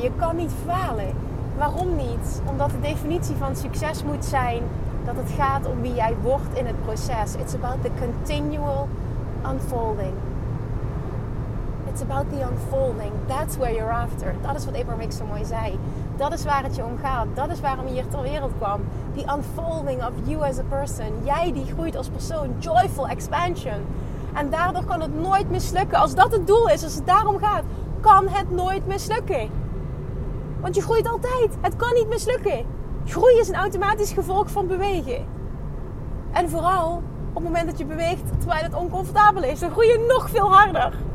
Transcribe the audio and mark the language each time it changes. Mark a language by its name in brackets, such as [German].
[Dutch] Je kan niet falen. Waarom niet? Omdat de definitie van succes moet zijn dat het gaat om wie jij wordt in het proces. [English] It's about the continual unfolding. It's about the unfolding. That's where you're after. [Dutch] Dat is wat Abraham Hicks zo mooi zei. Dat is waar het je om gaat. Dat is waarom je hier ter wereld kwam. [English] The unfolding of you as a person. [Dutch] Jij die groeit als persoon. [English] Joyful expansion. [Dutch] En daardoor kan het nooit mislukken. Als dat het doel is, als het daarom gaat, kan het nooit mislukken. Want je groeit altijd. Het kan niet mislukken. Groei is een automatisch gevolg van bewegen. En vooral op het moment dat je beweegt terwijl het oncomfortabel is, dan groei je nog veel harder.